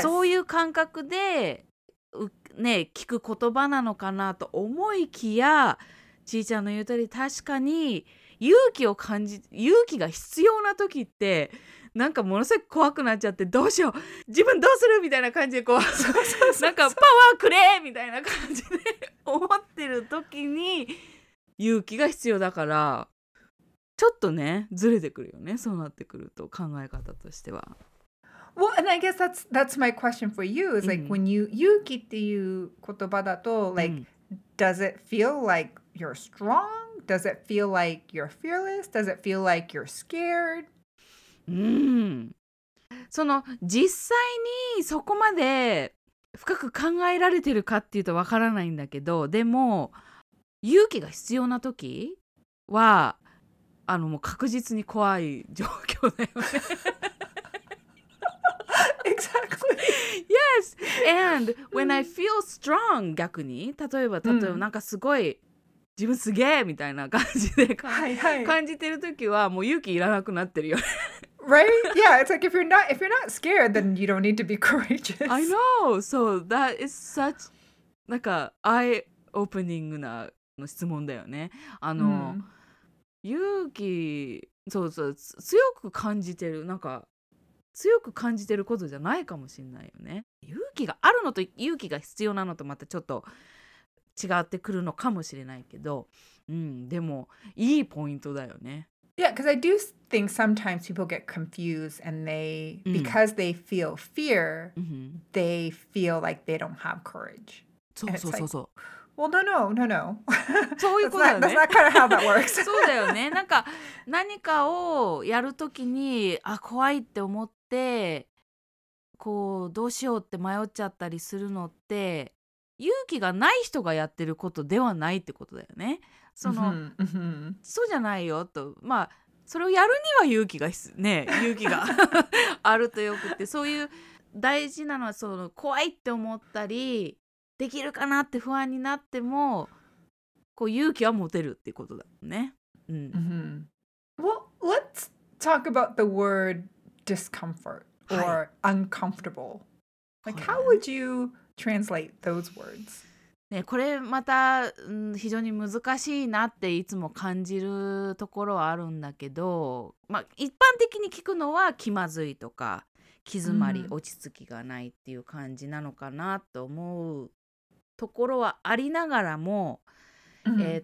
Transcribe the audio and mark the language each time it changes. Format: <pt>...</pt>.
<ja>そういう感覚で、ね、聞く言葉なのかなと思いきや、ちいちゃんの言うとおり、確かに、勇気を感じ、勇気が必要な時ってなんかものすごく怖くなっちゃって、どうしよう自分どうするみたいな感じでこうなんかパワーくれみたいな感じで思ってる時に勇気が必要だから、ちょっとねずれてくるよね、そうなってくると考え方としては。</ja> <en>Well, and I guess that's my question for you is like、うん、when you</en> <ja>勇気っていう言葉だと</ja> <en>like、うん、does it feel like you're strongDoes it feel like you're fearless? Does it feel like you're scared?</en> <ja>その実際にそこまで深く考えられてるかっていうとわからないんだけど、でも勇気が必要な時はあのもう確実に怖い状況だよね。</ja> <en>Exactly. Yes. And when I feel strong,</en> <ja>逆に例えばなんかすごい自分すげーみたいな感じで、はいはい、感じてる時はもう勇気いらなくなってるよね。</ja> <en>Right? Yeah, it's like if you're not scared, then you don't need to be courageous. I know. So that is such なんか eye-opening</en> <ja>なの質問だよね。あの、勇気、そうそう、強く感じてる、なんか強く感じてることじゃないかもしれないよね。勇気があるのと勇気が必要なのとまたちょっと違ってくるのかもしれないけど、でもいいポイントだよね。</ja> <en>Yeah, because I do think sometimes people get confused and they、because they feel fear、they feel like they don't have courage.</en> <ja>そう</ja> <en>like, Well, no.</en> <ja>そういうことだよね。</ja> <en>That's not kind of how that works.</en> <ja>そうだよね。なんか何かをやるときに、あ、怖いって思ってこうどうしようって迷っちゃったりするのって勇気がない人がやってることではないってことだよね。その、そうじゃないよと、まあそれをやるには勇気がね、勇気があるとよくって、そういう大事なのはその怖いって思ったりできるかなって不安になってもこう勇気は持てるってことだね。うん。 Mm-hmm.</ja> <en>Well, let's talk about the word discomfort or uncomfortable. Like, how would you translate those words?</en> <ja>ね、これまた、うん、非常に難しいなっていつも感じるところはあるんだけど、まあ、一般的に聞くのは気まずいとか気詰まり、うん、落ち着きがないっていう感じなのかなと思うところはありながらも、うん、</ja>